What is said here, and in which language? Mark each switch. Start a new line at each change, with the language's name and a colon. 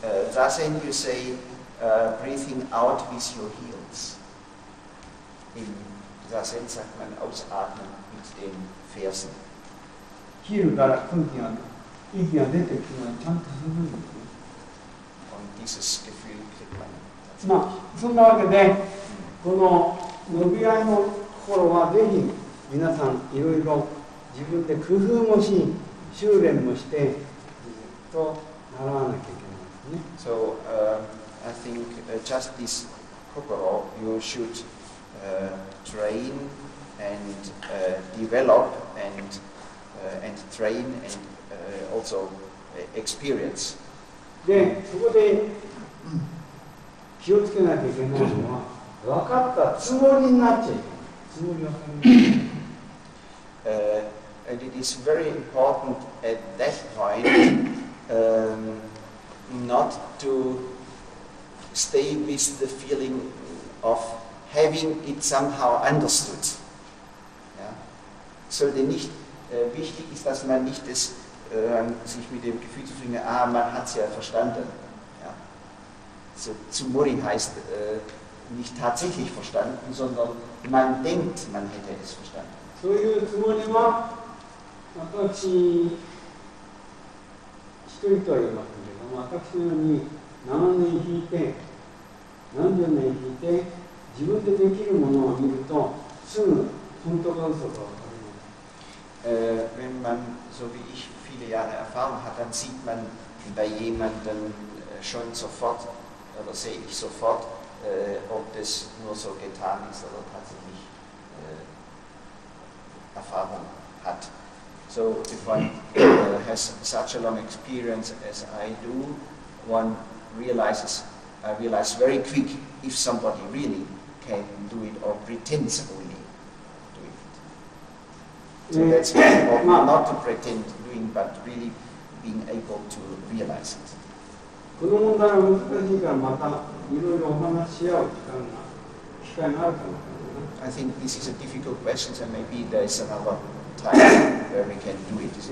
English: Zazen you say breathing out with your heels.
German: In Zazen sagt man ausatmen mit den Fersen.
Japanese: Hier から空気が、息が出てくるのにちゃんと進むんですね。
German: Und dieses Gefühl kriegt man.
Japanese: まあ、そんなわけで、この伸び合いの心はぜひ皆さんいろいろ自分で工夫もし、修練もしてずっと習わなきゃいけないんですね。
English: So, I think just this kokoro you should train and develop and train and also experience.
Japanese: で、そこで気をつけなきゃいけないのは、分かったつもりになっちゃいけない。つもりは分かる。
English: And it is very important at that point not to stay with the feeling of having it somehow understood.
German: Ja? Sollte nicht, wichtig ist, dass man nicht das, sich mit dem Gefühl zu fühlen, ah, man hat es ja verstanden. Ja? So, Tsumorin heißt nicht tatsächlich verstanden, sondern man denkt, man hätte es verstanden.
Japanese: そういうつもりは、私一人とは言いますけれども、私のように何年引いて、何十年引いて、自分でできるものを見ると、すぐ本当か嘘か分かります。
German: Wenn man, so wie ich, viele Jahre Erfahrung hat, dann sieht man bei jemandem schon sofort, oder sehe ich sofort, ob das nur so getan ist oder tatsächlich. Erfahrung hat.
English: So if one has such a long experience as I do, one realizes, I realize very quick if somebody really can do it or pretends only to do it. So that's important, not to pretend doing, but really being able to realize it.
Japanese: この問題は難しいからまたいろいろお話し合う機会があると思います。
English: I think this is a difficult question, and maybe there is another time where we can do it.